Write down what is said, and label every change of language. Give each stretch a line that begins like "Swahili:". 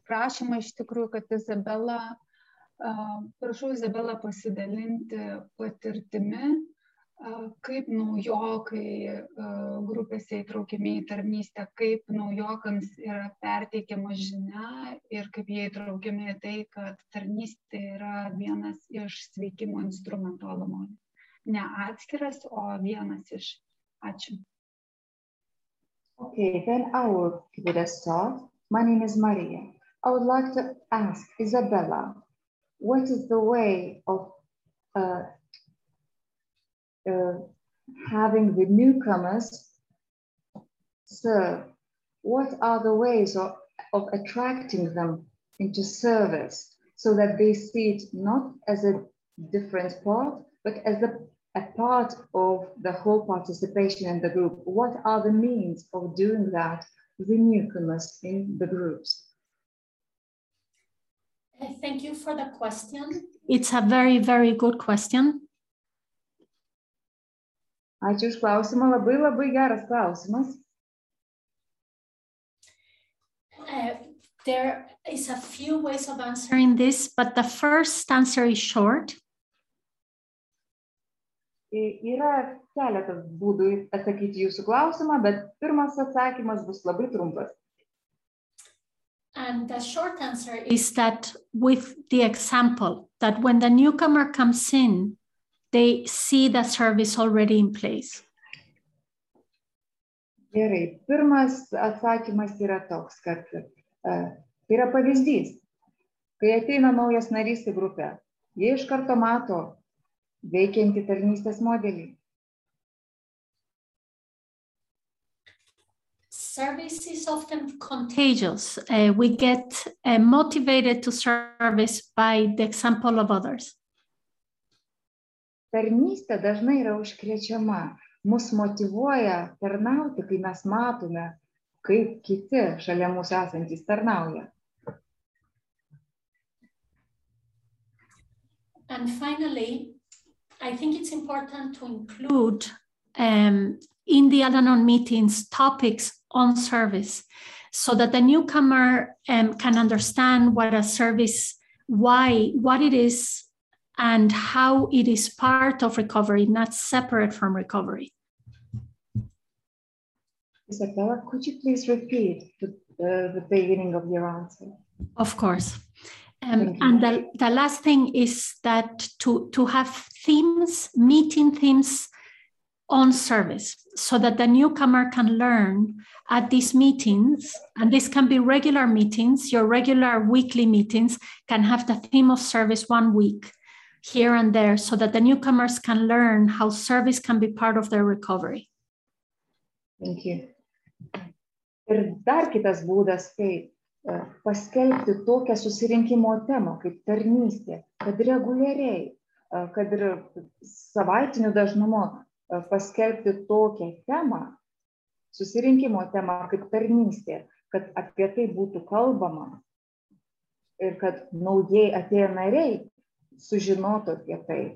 Lithuanian: Prašymą iš tikrųjų, kad Izabela, prašau Izabela pasidalinti patirtimi, kaip naujokai grupėse įtraukiami į tarnystę, kaip naujokams yra perteikiama žinia ir kaip jie įtraukiami į tai, kad tarnystė yra vienas iš sveikimo instrumentų Lamoni. Ne atskiras, o vienas iš. Ačiū.
English: Okay, then I will give it a start. My name is Maria. I would like to ask Izabela, what is the way of having the newcomers serve? What are the ways of attracting them into service so that they see it not as a different part, but as a part of the whole participation in the group? What are the means of doing that with the newcomers in the groups? Thank you for the question. It's a very, very good question.
Lithuanian: Ačiū už klausimą, labai, labai geras klausimas.
English: There is a few ways of answering this, but the first answer is short.
Lithuanian: Yra keletas būdų atsakyti jūsų klausimą, bet pirmas atsakymas bus labai trumpas.
English: And the short answer is that with the example, that when the newcomer comes in, they see the service already in place.
Lithuanian: Gerai, pirmas atsakymas yra toks, kad yra pavyzdys. Kai ateina naujas narys į grupę, jie iš karto mato veikiantį tarnystės modelį.
English: Service is often contagious. We get motivated to service by the example of others.
Lithuanian: Tarnystė dažnai yra užkrečiama. Mus motivuoja tarnauti, kai mes matome, kaip kiti šalia mūsų esantys tarnauja.
English: And finally, I think it's important to include in the Al-Anon meetings topics on service so that the newcomer can understand what a service, why, what it is, and how it is part of recovery, not separate from recovery. Isabella, could you please repeat the beginning of your answer? Of course. And the last thing is that to have themes, meeting themes on service so that the newcomer can learn at these meetings, and this can be regular meetings, your regular weekly meetings can have the theme of service 1 week here and there so that the newcomers can learn how service can be part of their recovery. Thank you.
Lithuanian: Ir dar kitas būdas, kaip paskelbti tokią susirinkimo temą kaip tarnystė, kad reguliariai, kad ir savaitiniu dažnumu paskelbti tokią temą, susirinkimo temą kaip tarnystė, kad apie tai būtų kalbama ir kad naujai atėję nariai sužinotų apie tai.